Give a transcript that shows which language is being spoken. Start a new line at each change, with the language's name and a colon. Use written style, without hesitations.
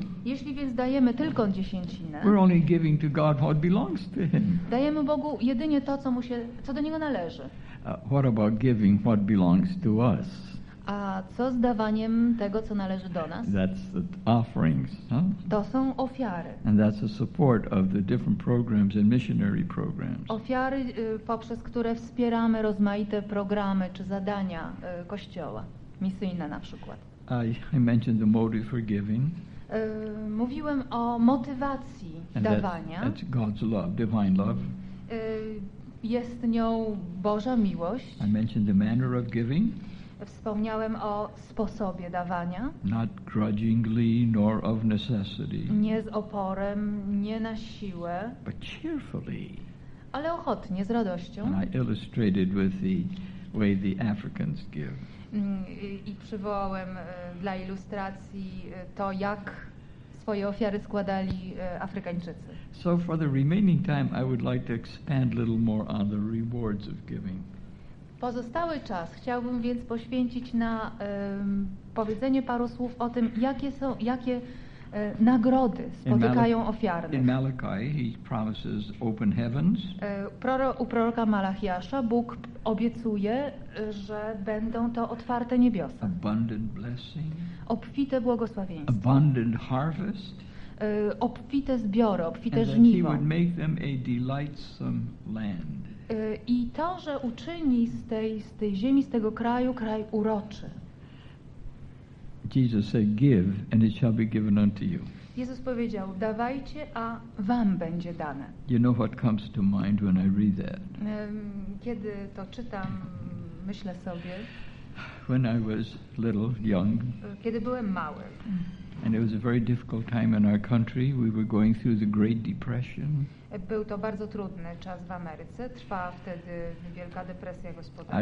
Polish: jeśli więc dajemy tylko dziesięcinę,
English: we're only giving to God what belongs to Him.
Polish: Dajemy Bogu jedynie to, co do Niego należy.
English: What about giving what belongs to us?
Polish: A co z dawaniem tego, co należy do nas?
English: That's the offerings, huh?
Polish: To są ofiary.
English: And that's the support of the different programs and missionary programs.
Polish: Ofiary, poprzez które wspieramy rozmaite programy czy zadania Kościoła, misyjne na przykład.
English: I mentioned the motive for giving.
Polish: Mówiłem o motywacji
English: and
Polish: dawania.
English: That's God's love, divine love.
Polish: Jest nią Boża miłość.
English: I mentioned the manner of giving.
Polish: Wspomniałem o sposobie dawania.
English: Not grudgingly, nor of necessity.
Polish: Nie z oporem, nie na siłę.
English: But cheerfully.
Polish: Ale ochotnie, z radością.
English: And I illustrated with the way the Africans give.
Polish: I przywołałem dla ilustracji to, jak swoje ofiary składali Afrykańczycy.
English: So for the remaining time, I would like to expand a little more on the rewards of giving.
Polish: Pozostały czas chciałbym więc poświęcić na powiedzenie paru słów o tym, jakie nagrody spotykają ofiarnych.
English: In Malachi he promises open heavens.
Polish: U proroka Malachiasza Bóg obiecuje, że będą to otwarte niebiosa.
English: Abundant blessing.
Polish: Obfite błogosławieństwo.
English: Abundant harvest.
Polish: Obfite zbiory, obfite
English: and
Polish: żniwo.
English: That he would make them a delightsome land.
Polish: I to, że uczyni z tej ziemi, z tego kraju, kraj uroczy.
English: Jesus said, give, and it shall be given unto you.
Polish: Jezus powiedział, dawajcie, a wam będzie dane.
English: You know what comes to mind when I read that?
Polish: Kiedy to czytam, myślę sobie.
English: When I was little, young.
Polish: Kiedy byłem mały.
English: And it was a very difficult time in our country. We were going through the Great Depression.
Polish: Był to bardzo trudny czas w Ameryce. Trwała wtedy wielka depresja gospodarcza.